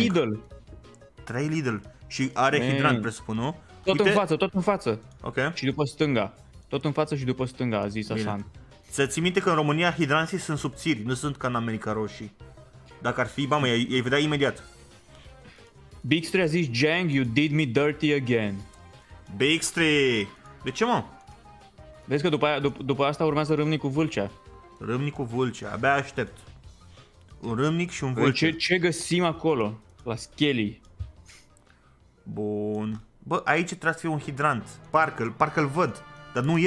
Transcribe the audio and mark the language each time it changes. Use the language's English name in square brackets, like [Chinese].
[Romanian] Lidl. 3 Lidl. Și are hidrant, presupun, nu? Tot în față, tot în față. Ok. Și după stânga. Tot în față și după stânga, a zis Asan. Ți-ai minte că în România hidranții sunt subțiri, nu sunt ca în America roșii. Dacă ar fi, mamă, i-ai vedea imediat. [English] Bigstri [Romanian] a zis, [English] Jang, you did me dirty again. [Romanian] Bigstri! De ce, mă? Vezi că după asta urmează Râmnicul Vâlcea. Râmnicul Vâlcea, abia aștept. Un râmnic și un vâlce. Ce găsim acolo? La Skelly. Bun. Bă, aici trebuie să fie un hidrant. Parcă-l văd, dar nu e.